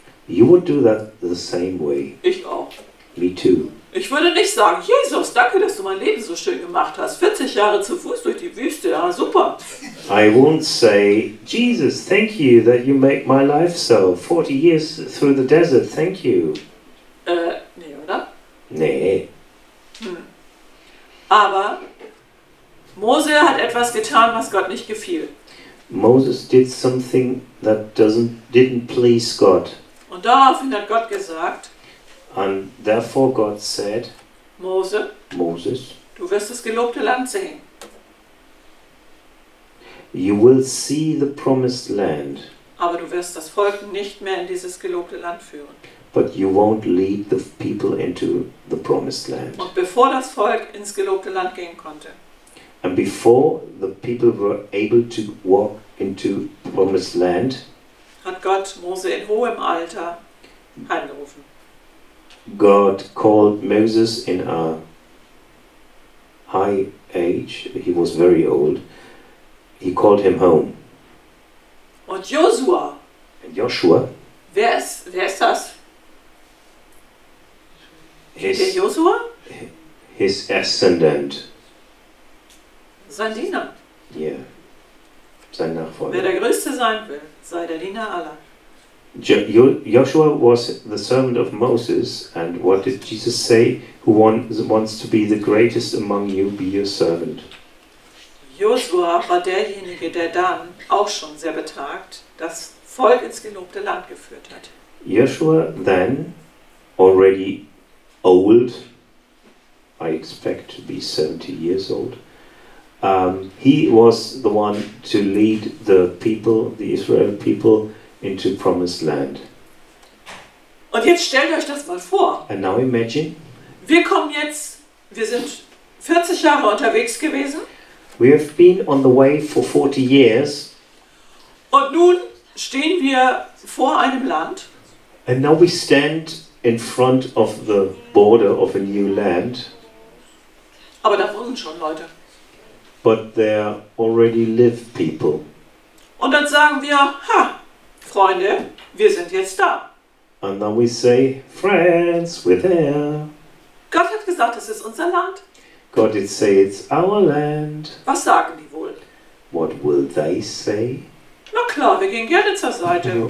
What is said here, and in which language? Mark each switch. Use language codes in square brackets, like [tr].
[en] You would do that the same way. [de] Ich auch. [en] Me too. [de] Ich würde nicht sagen, Jesus, danke, dass du mein Leben so schön gemacht hast. 40 Jahre zu Fuß durch die Wüste, ja, super. [en] I won't say, Jesus, thank you that you make my life so. 40 years through the desert, thank you. [de] Nee, oder? Nee. Hm. Aber Mose hat etwas getan, was Gott nicht gefiel. [en] Moses did something that didn't please God. [de] Und daraufhin hat Gott gesagt, [en] and therefore God said, [de] Moses, du wirst das gelobte Land sehen. [en] You will see the promised land. [de] Aber du wirst das Volk nicht mehr in dieses gelobte Land führen. [en] But you won't lead the people into the promised land. [de] Und bevor das Volk ins gelobte Land gehen konnte, [en] and before the people were able to walk into promised land, [de] hat Gott Mose in hohem Alter heimgerufen. [en] God called Moses in a high age. He was very old. He called him home. [de] Und Joshua. [en] And Joshua. [de] Wer ist das? [en] Joshua? His ascendant. [de] Sein Diener. Yeah. Sein Nachfolger. Wer der Größte sein will, sei der Diener aller. [en] Joshua was the servant of Moses, and what did Jesus say? Who wants to be the greatest among you, be your servant. [de] Joshua war derjenige, der dann auch schon sehr betagt das Volk ins gelobte Land geführt hat. [en] Joshua then, already old, I expect to be 70 years old, he was the one to lead the people, the Israel people, into promised land. [de] Und jetzt stellt euch das mal vor. [en] And now imagine. [de] Wir kommen jetzt, wir sind 40 Jahre unterwegs gewesen. [en] We have been on the way for 40 years. [de] Und nun stehen wir vor einem Land. [en] And now we stand in front of the border of a new land. [de] Aber da wohnen schon Leute. [en] But there already live people. [de] Und dann sagen wir, ha, Freunde, wir sind jetzt da. [en] And then we say, friends, we're there. [de] Gott hat gesagt, es ist unser Land. [en] God did say it's our land. [de] Was sagen die wohl? [en] What will they say? [de] Na klar, wir gehen gerne zur Seite.